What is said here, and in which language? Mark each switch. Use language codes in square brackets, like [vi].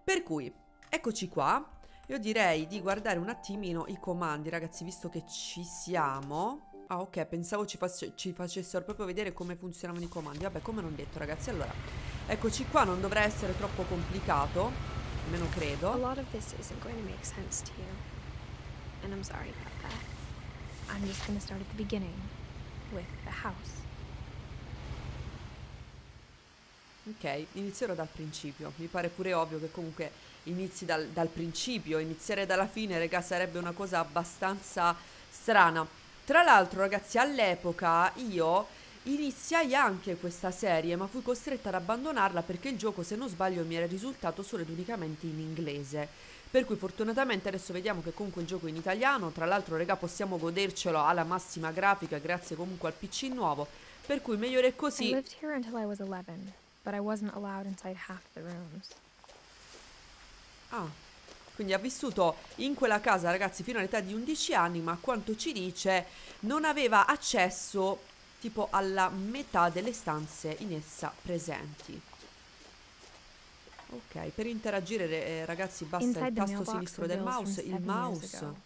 [it] Per cui, eccoci qua, io direi di guardare un attimino i comandi ragazzi, visto che ci siamo. Ah ok, pensavo ci facessero proprio vedere come funzionavano i comandi, vabbè come non detto ragazzi. Allora, eccoci qua, non dovrà essere troppo complicato. Me lo credo. [en] A lot of this isn't going to make sense to you. And I'm sorry about that. I'm just gonna start at the beginning with the house. [it] Ok, inizierò dal principio. Mi pare pure ovvio che comunque inizi dal principio. Iniziare dalla fine, raga, sarebbe una cosa abbastanza strana. Tra l'altro, ragazzi, all'epoca io iniziai anche questa serie, ma fui costretta ad abbandonarla perché il gioco, se non sbaglio, mi era risultato solo ed unicamente in inglese. Per cui fortunatamente adesso vediamo che comunque il gioco è in italiano. Tra l'altro, raga, possiamo godercelo alla massima grafica grazie comunque al PC nuovo. Per cui meglio è così. [en] I lived here until I was 11, but I wasn't allowed inside half the rooms. [it] Ah, quindi ha vissuto in quella casa, ragazzi, fino all'età di 11 anni, ma a quanto ci dice non aveva accesso tipo alla metà delle stanze in essa presenti. Ok, per interagire ragazzi basta il tasto sinistro del mouse, il mouse.